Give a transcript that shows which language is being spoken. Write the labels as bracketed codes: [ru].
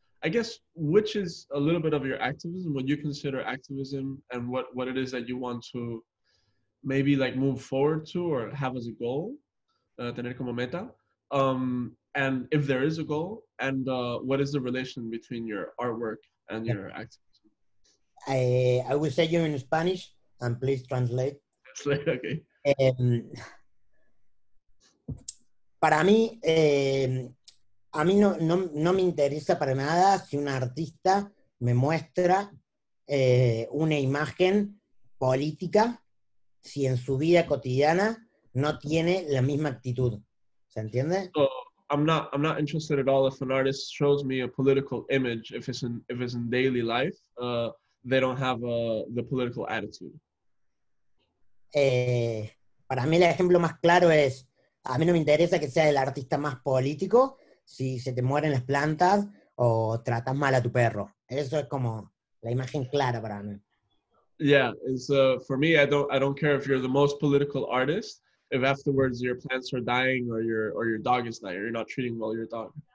[en] I guess, which is a little bit of your activism, what you consider activism, and what it is that you want to maybe like move forward to or have as a goal, [es] tener como meta, [en] and if there is a goal, and what is the relation between your artwork and your activism? I will say you in Spanish, and please translate. Translate, okay. [es] Para mí, a mí no me interesa para nada si un artista me muestra una imagen política si en su vida cotidiana no tiene la misma actitud. ¿Se entiende? [en] So, I'm not interested at all if an artist shows me a political image if it's in daily life they don't have the political attitude. [es] Para mí el ejemplo más claro es, a mí no me interesa que sea el artista más político si se te mueren las plantas o tratas mal a tu perro. Eso es como la imagen clara para mí. [en] Yeah, it's for me. I don't care if you're the most political artist. If afterwards your plants are dying or your dog is dying, or you're not treating well your dog.